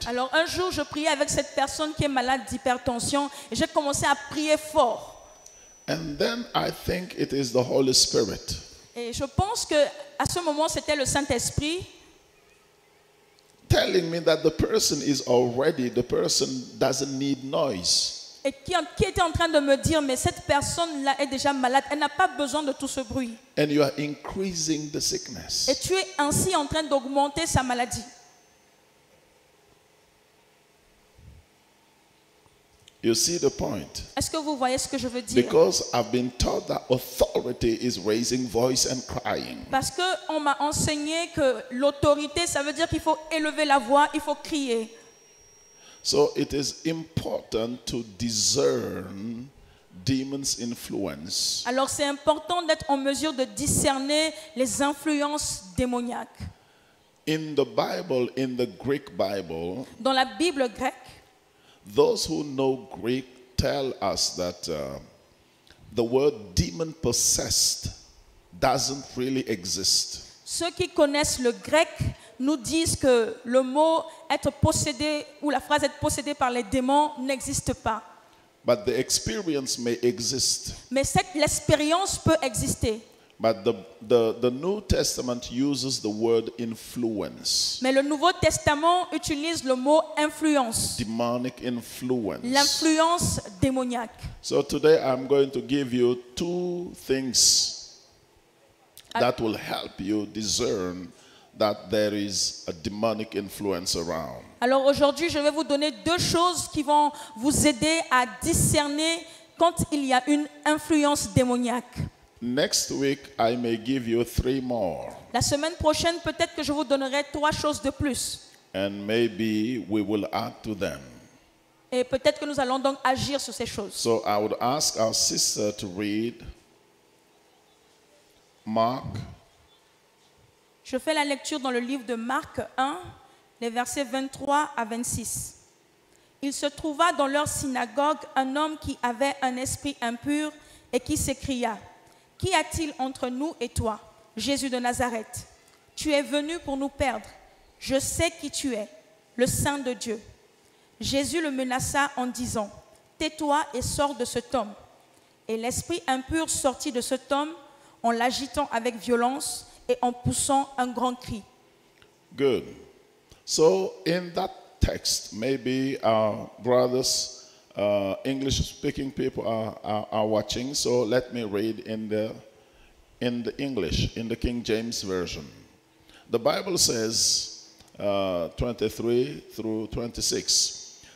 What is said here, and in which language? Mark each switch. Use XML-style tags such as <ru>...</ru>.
<fr>Alors un jour je priais avec cette personne qui est malade d'hypertension et j'ai commencé à prier fort.</fr> <en>And then I think it is the Holy Spirit.</en> <fr>Et je pense que à ce moment c'était le Saint-Esprit.</fr> <en>Telling me that the person is already, the person doesn't need noise.</en> <fr>Et qui était en train de me dire, mais cette personne-là est déjà malade, elle n'a pas besoin de tout ce bruit.</fr> <en>And you are increasing the sickness.</en> <fr>Et tu es ainsi en train d'augmenter sa maladie.</fr> <en>You see the point?</en> <fr>Est-ce que vous voyez ce que je veux dire?</fr> <en>Because I've been taught that authority is raising voice and crying.</en> <fr>Parce que on m'a enseigné que l'autorité, ça veut dire qu'il faut élever la voix, il faut crier.</fr> <en>So it is important to discern demons' influence.</en> <fr>Alors c'est important d'être en mesure de discerner les influences démoniaques.</fr> <en>In the Bible, in the Greek Bible,</en> <fr>dans la Bible grecque,</fr> <en>those who know Greek tell us that the word demon possessed doesn't really exist.</en> <fr>Ceux qui connaissent le grec nous disent que le mot être possédé ou la phrase être possédé par les démons n'existe pas.</fr> <en>But the experience may exist.</en> <fr>Mais l'expérience peut exister.</fr> <en>But the New Testament uses the word influence.</en> <fr>Mais le Nouveau Testament utilise le mot influence.</fr> <en>Demonic influence.</en> <fr>L'influence démoniaque.</fr> <en>So today I'm going to give you two things that will help you discern that there is a demonic influence around.</en> <fr>Alors aujourd'hui, je vais vous donner deux choses qui vont vous aider à discerner quand il y a une influence démoniaque.</fr> <en>Next week, I may give you three more.</en> <fr>La semaine prochaine, peut-être que je vous donnerai trois choses de plus.</fr> <en>And maybe we will add to them.</en> <fr>Et peut-être que nous allons donc agir sur ces choses.</fr> <en>So I would ask our sister to read Mark.</en> <fr>Je fais la lecture dans le livre de Marc 1, les versets 23 à 26. Il se trouva dans leur synagogue un homme qui avait un esprit impur et qui s'écria, « Qu'y a-t-il entre nous et toi, Jésus de Nazareth? Tu es venu pour nous perdre. Je sais qui tu es, le Saint de Dieu. » Jésus le menaça en disant, « Tais-toi et sors de cet homme. » Et l'esprit impur sortit de cet homme en l'agitant avec violence, et en poussant un grand cri.</fr> <en>Good. So in that text, maybe our brothers, English speaking people are watching. So let me read in the English, in the King James Version. The Bible says 23 through 26.</en>